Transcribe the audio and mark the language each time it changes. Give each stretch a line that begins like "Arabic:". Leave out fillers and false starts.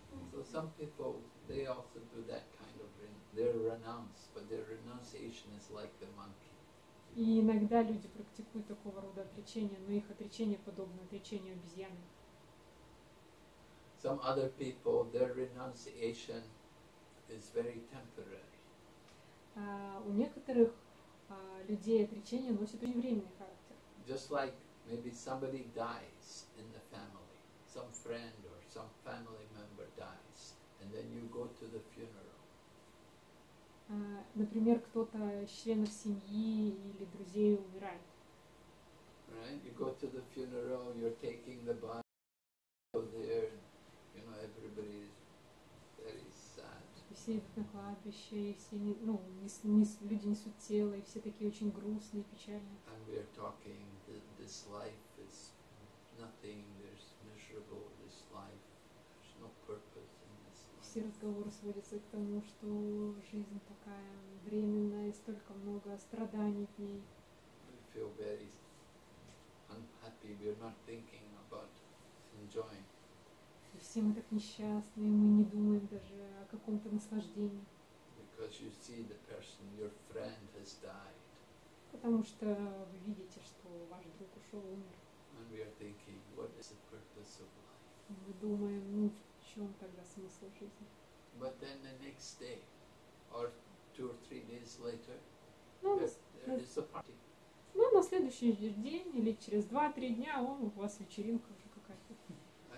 English: So some people, they also do that kind of they're renounced, but their renunciation is like the monkey.
Russian: И иногда люди практикуют такого рода отречения, но их отречение подобно отречению обезьяны.
English: Some other people, their renunciation is very temporary.
Russian: У некоторых людей отречение носит очень временный характер.
English: Just like maybe somebody dies in the family, some friend or some family member dies, and then you go to the funeral.
Russian: Например, кто-то из членов семьи или друзей умирает.
English: Right? You go to the funeral, you're taking the body, you go there, and, you know, everybody is very sad.
Russian: И все идут на кладбище, и все, ну, люди несут тело, и все такие очень грустные, печальные.
English: And we are talking, this life is nothing, there's miserable, this life, there's no purpose.
Russian: Все разговоры сводятся к тому, что жизнь такая временная, столько много страданий в ней.
English: We feel very unhappy, we're not thinking about enjoying.
Russian: И все мы так несчастны, и мы не думаем даже о каком-то наслаждении.
English: Because you see the person, your friend has died.
Russian: Потому что вы видите, что ваш друг ушел, умер.
English: And we are thinking, what is the purpose of life?
Russian: Мы думаем, ну, в чем тогда смысл жизни?
English: But then the next day, or two or three days later,
Russian: ну,
English: there is a party.
Russian: Ну, на следующий день или через 2-3 дня он у вас вечеринка уже какая-то.